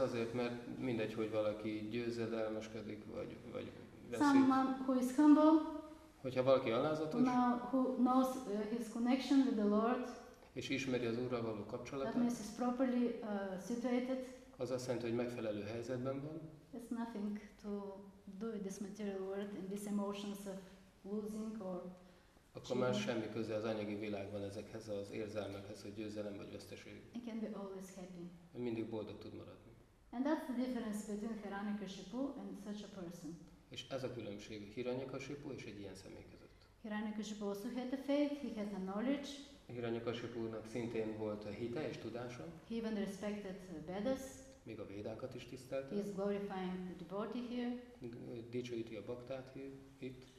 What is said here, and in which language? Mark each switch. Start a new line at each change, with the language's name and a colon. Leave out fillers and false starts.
Hungarian: Azért, mert mindegy, hogy valaki győzedelmeskedik, vagy veszít.
English: Someone who is humble.
Hungarian: Hogyha valaki alázatos.
English: Who knows his connection with the Lord.
Hungarian: És ismeri az Úrral való kapcsolatát.
English: That means he's properly situated.
Hungarian: Az azt jelenti, hogy megfelelő helyzetben van.
English: It's nothing to do with this material world and these emotions of losing or
Hungarian: akkor már semmi köze az anyagi világban ezekhez az érzelmekhez, hogy győzelem vagy veszteség.
English: He can be always happy.
Hungarian: Mindig boldog tud maradni.
English: And that's the difference between Hiranyakashipu and such a person.
Hungarian: És ez a különbség Hiranyakashipu és egy ilyen személy között.
English: Hiranyakashipu also had a faith, he had a knowledge.
Hungarian: Hiranyakashipunak szintén volt a hite és tudása.
English: He even respected Vedas.
Hungarian: Még a Védákat is tisztelte.
English: He is glorifying the devotee here.
Hungarian: Dicsőíti a baktát itt.